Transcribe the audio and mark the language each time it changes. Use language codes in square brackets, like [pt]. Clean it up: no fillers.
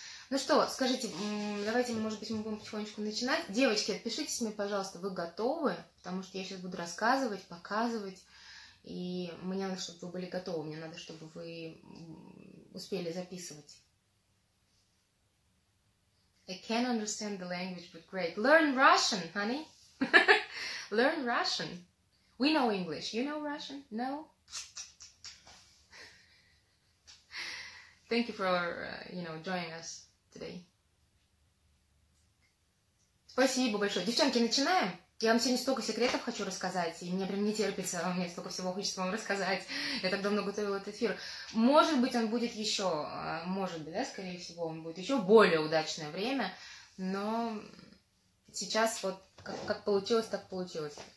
[ru] Ну что, скажите, давайте, может быть, мы будем потихонечку начинать. Девочки, отпишитесь мне, пожалуйста, вы готовы? Потому что я сейчас буду рассказывать, показывать. И мне надо, чтобы вы были готовы. Мне надо, чтобы вы успели записывать. [en] I can't understand the language, but great. Learn Russian, honey. Learn Russian. We know English. You know Russian? No? Thank you for, joining us today. [ru] Спасибо большое. Девчонки, начинаем? Я вам сегодня столько секретов хочу рассказать, и мне прям не терпится, у меня столько всего хочется вам рассказать. Я так давно готовила этот эфир. Может быть, он будет еще, может быть, да, скорее всего, он будет еще более удачное время, но сейчас вот как получилось, так получилось.